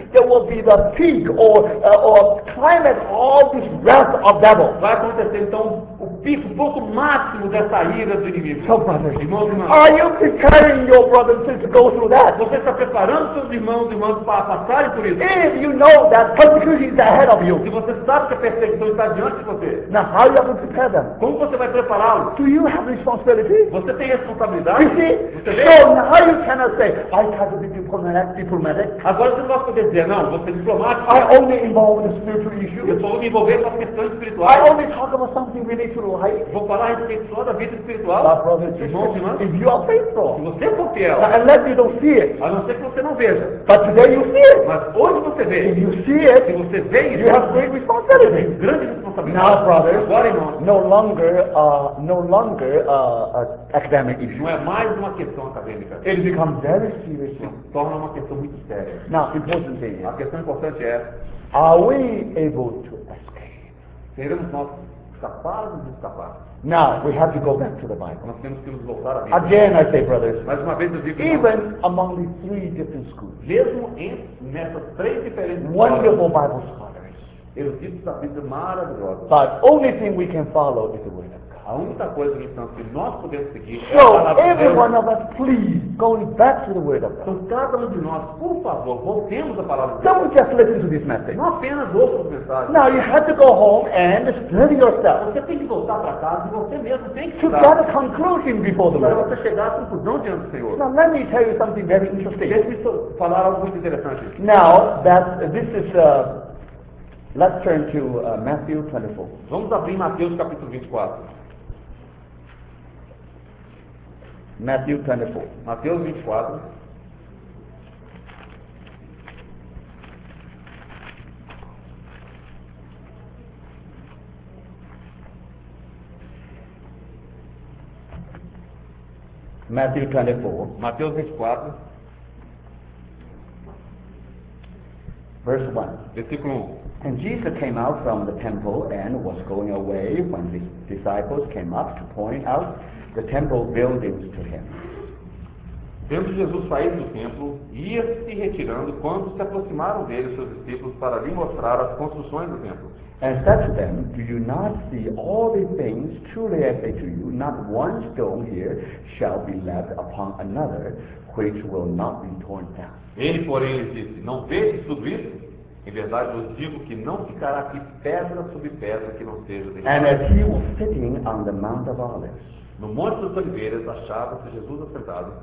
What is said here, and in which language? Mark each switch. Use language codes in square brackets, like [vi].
[en] There will be the peak or climax of this wrath of devil. [pt] Vai acontecer então o pico, o ponto máximo dessa ira do inimigo. [en] So, brothers, [pt] irmãos, [en] are you preparing your brothers and sisters to go through that? [pt] Você está preparando seus irmãos e irmãs para passarem por isso? [en] If you know that persecution is ahead of you, [pt] se você sabe que a perseguição está diante de você, [en] now how you going to prepare them? [pt] Como você vai prepará-los? [en] Do you have responsibility? [pt] Você tem responsabilidade? Você vê? [en] So now you cannot say I can't be diplomatic. [pt] Agora você não pode dizer não, você é diplomático. [en] I only involve the spiritual issues. [pt] Eu só vou me envolver com as questões espirituais. [en] I only talk about something related to life. [pt] Vou falar a respeito só da vida espiritual. [en] But brothers, [pt] irmãos, [en] if you are faithful, [pt] se você for fiel, [en] unless you don't see it, [pt] a não ser que você não veja. [en] But today you see it. [pt] Mas hoje você vê. [en] If you see it, [pt] se você vê isso, [en] you have great responsibility. [pt] Grande responsabilidade. [en] Now brothers, [pt] agora, irmãos, [en] no longer academic issue. [pt] Não é mais uma questão acadêmica. [en] It becomes very serious. [pt] Torna uma questão muito séria. [en] Now, important thing. [pt] A questão importante é: [en] are we able to escape? [pt] Seremos nós capazes de escapar? [en] Now, we have to go back to the Bible. [pt] Nós temos que nos voltar à Bíblia. [en] Again, I say, brothers. [pt] Mais uma vez eu digo. [en] Even among the three different schools. [pt] Mesmo entre nessas três diferentes. [en] Wonderful Bible scholars. [pt] Eruditos da Bíblia maravilhosos. [en] But only thing we can follow is the Word. [pt] A única coisa, então, que nós podemos seguir [en] so, [pt] é a palavra de Deus. [en] So, every one of us, please, going back to the Word of God. [pt] Então, cada um de nós, por favor, voltemos à palavra de Deus. [en] Don't just listen to this message. [pt] Não apenas ouça as mensagens. [en] Now, you have to go home and study yourself. [pt] Você tem que voltar para casa e você mesmo tem que estudar. [en] To get a conclusion before the Lord. [pt] Para você chegar à conclusão diante do Senhor. [en] Now, let me tell you something very interesting. [pt] Deixe-me falar algo muito interessante. [en] Now, that this is... let's turn to Matthew 24. [pt] Vamos abrir Mateus capítulo 24. [en] Matthew 24. [pt] Mateus 24. [en] Matthew 24. [pt] Mateus 24. [en] Verse 1. [pt] Versículo 1. [en] And Jesus came out from the temple and was going away when the disciples came up to point out the temple buildings to him. [pt] Tendo Jesus saído do templo, ia se retirando quando se aproximaram dele seus discípulos para lhe mostrar as construções do templo. [en] And said to them, do you not see all these things? Truly I say to you, not one stone here shall be left upon another, which will not be torn down. [pt] Ele, porém, lhes disse, não vês tudo isso? Em verdade, vos digo que não ficará aqui pedra sobre pedra que não seja derribada. [en] And as he was sitting on the Mount of Olives, [pt] no Monte das Oliveiras, achava-se Jesus assentado.